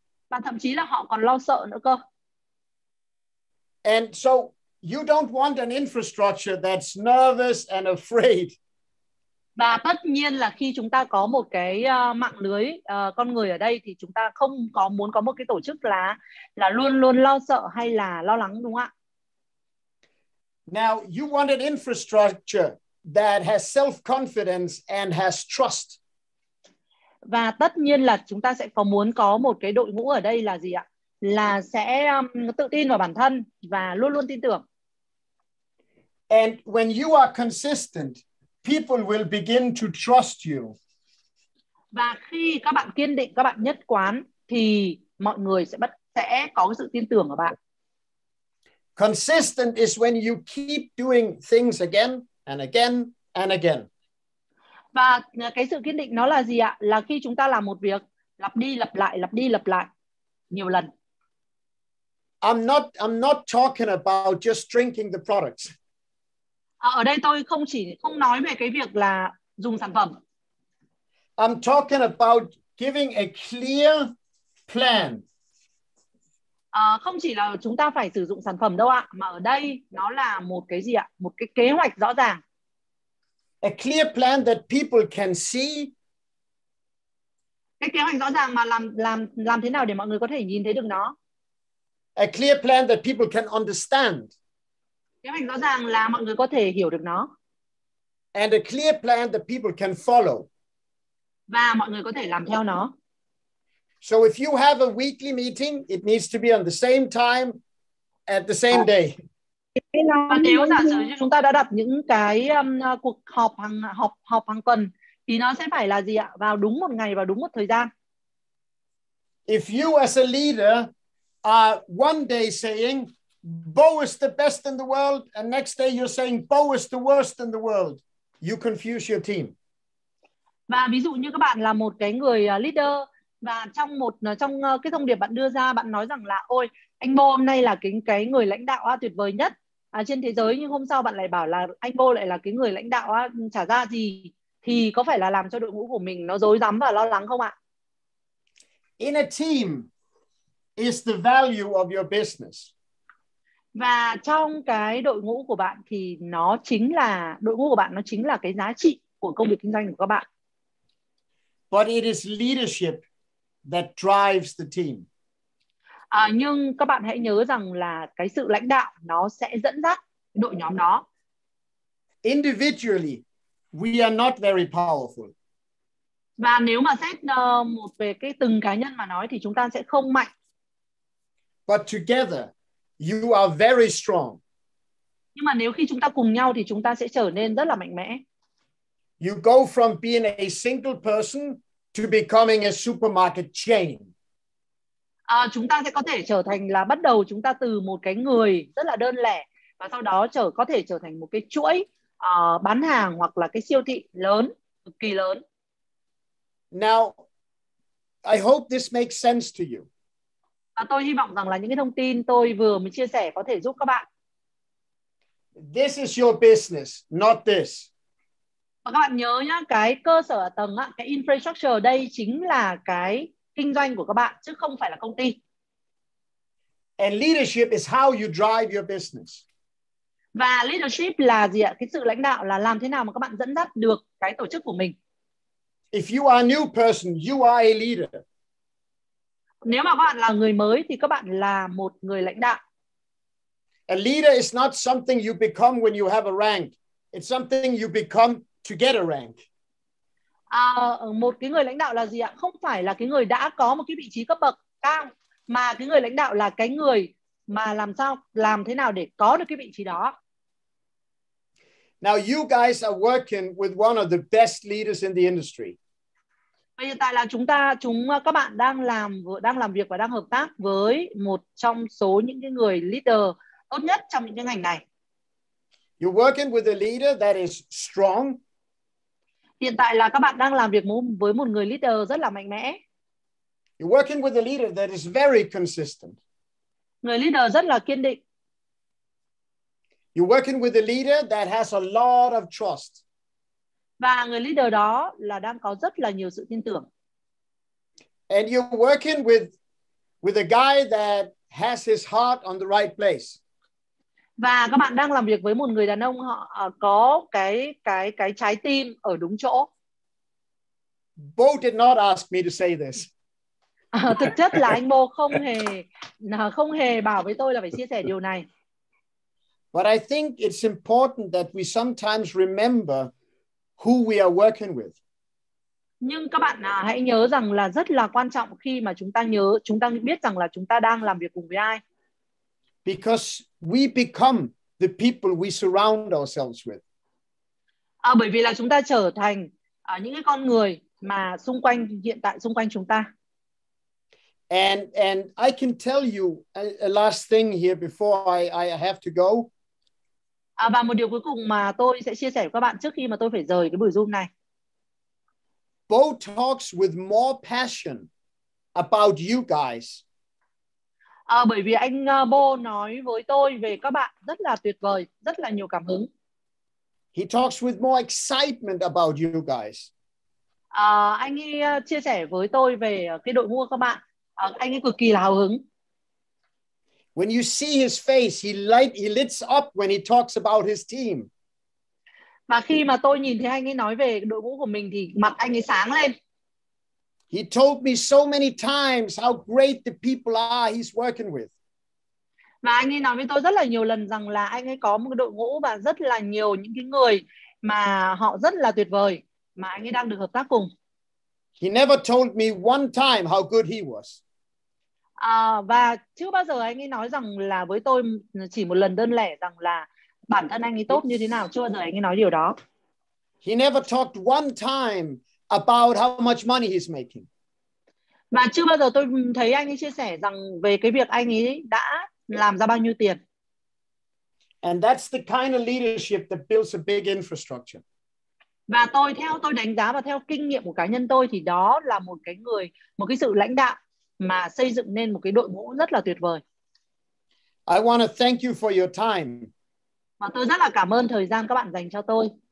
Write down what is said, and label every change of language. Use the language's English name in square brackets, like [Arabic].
[Vietnamese] Và thậm chí là họ còn lo sợ nữa cơ. [English] And so you don't want an infrastructure that's nervous and afraid. [Vietnamese] Và tất nhiên là khi chúng ta có một cái mạng lưới con người ở đây thì chúng ta không có muốn có một cái tổ chức là luôn luôn lo sợ hay là lo lắng, đúng không ạ? [English] Now you want an infrastructure that has self-confidence and has trust. [Vietnamese] Và tất nhiên là chúng ta sẽ có muốn có một cái đội ngũ ở đây là gì ạ? Là sẽ tự tin vào bản thân và luôn luôn tin tưởng. [English] And when you are consistent, people will begin to trust you. [Vietnamese] Và khi các bạn kiên định, các bạn nhất quán, thì mọi người sẽ có sự tin tưởng ở bạn. [English] Consistent is when you keep doing things again and again and again. [Vietnamese] Và cái sự kiên định nó là gì ạ? Là khi chúng ta làm một việc lặp đi lặp lại nhiều lần. [English] I'm not talking about just drinking the products. [Vietnamese] Ở đây tôi không nói về cái việc là dùng sản phẩm. [English] I'm talking about giving a clear plan. [Vietnamese] Không chỉ là chúng ta phải sử dụng sản phẩm đâu ạ, mà ở đây nó là một cái gì ạ? Một cái kế hoạch rõ ràng. [English] A clear plan that people can see. [Vietnamese] Cái kế hoạch rõ ràng mà làm thế nào để mọi người có thể nhìn thấy được nó. [English] A clear plan that people can understand. [Vietnamese] Kế hoạch rõ ràng là mọi người có thể hiểu được nó. [English] And a clear plan that people can follow. [Vietnamese] Và mọi người có thể làm theo nó. [English] So if you have a weekly meeting, it needs to be on the same time at the same day. [Vietnamese] Và nếu giả sử như chúng ta đã đặt những cái cuộc họp hàng tuần thì nó sẽ phải là gì ạ? Vào đúng một ngày và đúng một thời gian. [English] If you as a leader are one day saying Bo is the best in the world and next day you're saying Bo is the worst in the world, you confuse your team. [Vietnamese] Và ví dụ như các bạn là một cái người leader và trong cái thông điệp bạn đưa ra, bạn nói rằng là ôi anh Bo hôm nay là cái người lãnh đạo tuyệt vời nhất trên thế giới, nhưng hôm sau bạn lại bảo là anh Bo lại là cái người lãnh đạo chả ra gì, thì có phải là làm cho đội ngũ của mình nó rối rắm và lo lắng không ạ? [English] In a team is the value of your business. [Vietnamese] Và trong cái đội ngũ của bạn thì nó chính là cái giá trị của công việc kinh doanh của các bạn. [English] But it is leadership that drives the team. [Vietnamese] Nhưng các bạn hãy nhớ rằng là cái sự lãnh đạo nó sẽ dẫn dắt đội nhóm đó. [English] Individually, we are not very powerful. [Vietnamese] Và nếu mà xét một về cái từng cá nhân mà nói thì chúng ta sẽ không mạnh. [English] But together, you are very strong. [Vietnamese] Nhưng mà nếu khi chúng ta cùng nhau thì chúng ta sẽ trở nên rất là mạnh mẽ. [English] You go from being a single person to becoming a supermarket chain. [Vietnamese] Chúng ta sẽ có thể trở thành là bắt đầu chúng ta từ một cái người rất là đơn lẻ và sau đó có thể trở thành một cái chuỗi bán hàng hoặc là cái siêu thị lớn, cực kỳ lớn. [English] Now, I hope this makes sense to you. [Vietnamese] Tôi hy vọng rằng là những cái thông tin tôi vừa mới chia sẻ có thể giúp các bạn. [English] This is your business, not this. [Vietnamese] Và các bạn nhớ nhá, cái cơ sở tầng, cái infrastructure đây chính là cái kinh doanh của các bạn chứ không phải là công ty. [English] And leadership is how you drive your business. [Vietnamese] Và leadership là gì ạ? Cái sự lãnh đạo là làm thế nào mà các bạn dẫn dắt được cái tổ chức của mình. [English] If you are a new person, you are a leader. [Vietnamese] Nếu mà các bạn là người mới thì các bạn là một người lãnh đạo. [English] A leader is not something you become when you have a rank. It's something you become to get a rank. [Vietnamese] Một cái người lãnh đạo là gì ạ? Không phải là cái người đã có một cái vị trí cấp bậc cao, mà cái người lãnh đạo là cái người mà làm thế nào để có được cái vị trí đó. [English] Now you guys are working with one of the best leaders in the industry. [Vietnamese] Bây giờ tại là các bạn đang làm việc và đang hợp tác với một trong số những cái người leader tốt nhất trong những cái ngành này. [English] You're working with a leader that is strong. [Vietnamese] Hiện tại là các bạn đang làm việc với một người leader rất là mạnh mẽ. [English] You're working with a leader that is very consistent. [Vietnamese] Người leader rất là kiên định. [English] You're working with a leader that has a lot of trust. [Vietnamese] Và người leader đó là đang có rất là nhiều sự tin tưởng. [English] And you're working with a guy that has his heart on the right place. [Vietnamese] Và các bạn đang làm việc với một người đàn ông họ có cái trái tim ở đúng chỗ. [English] Bo did not ask me to say this. [Vietnamese] Thực chất là anh Bo không hề bảo với tôi là phải chia sẻ điều này. [English] But I think it's important that we sometimes remember who we are working with. [Vietnamese] Nhưng các bạn hãy nhớ rằng là rất là quan trọng khi mà chúng ta biết rằng là chúng ta đang làm việc cùng với ai. [English] Because we become the people we surround ourselves with. [Vietnamese] Bởi vì là chúng ta trở thành những cái con người mà hiện tại xung quanh chúng ta. [English] And I can tell you a last thing here before I have to go. [Vietnamese] Và một điều cuối cùng mà tôi sẽ chia sẻ với các bạn trước khi mà tôi phải rời cái buổi Zoom này. [English] Bo talks with more passion about you guys. [Vietnamese] Bởi vì anh Bo nói với tôi về các bạn rất là tuyệt vời, rất là nhiều cảm hứng. [English] He talks with more excitement about you guys. [Vietnamese] Anh ấy chia sẻ với tôi về cái đội ngũ các bạn. Anh ấy cực kỳ là hào hứng. [English] When you see his face, he lights up when he talks about his team. [Vietnamese] Và khi mà tôi nhìn thấy anh ấy nói về đội ngũ của mình thì mặt anh ấy sáng lên. [English] He told me so many times how great the people are he's working with. [Vietnamese] Và anh ấy nói với tôi rất là nhiều lần rằng là anh ấy có một đội ngũ và rất là nhiều những cái người mà họ rất là tuyệt vời mà anh ấy đang được hợp tác cùng. [English] He never told me one time how good he was. [Vietnamese] Và chưa bao giờ anh ấy nói rằng là với tôi chỉ một lần đơn lẻ rằng là bản thân anh ấy tốt như thế nào, chưa bao giờ anh ấy nói điều đó. [English] He never talked one time about how much money he's making. [Vietnamese] Và chưa bao giờ tôi thấy anh ấy chia sẻ rằng về cái việc anh ấy đã làm ra bao nhiêu tiền. [English] And that's the kind of leadership that builds a big infrastructure. [Vietnamese] Và tôi đánh giá và theo kinh nghiệm của cá nhân tôi thì đó là một cái sự lãnh đạo mà xây dựng nên một cái đội ngũ rất là tuyệt vời. [English] I want to thank you for your time. [Vietnamese] Và tôi rất là cảm ơn thời gian các bạn dành cho tôi.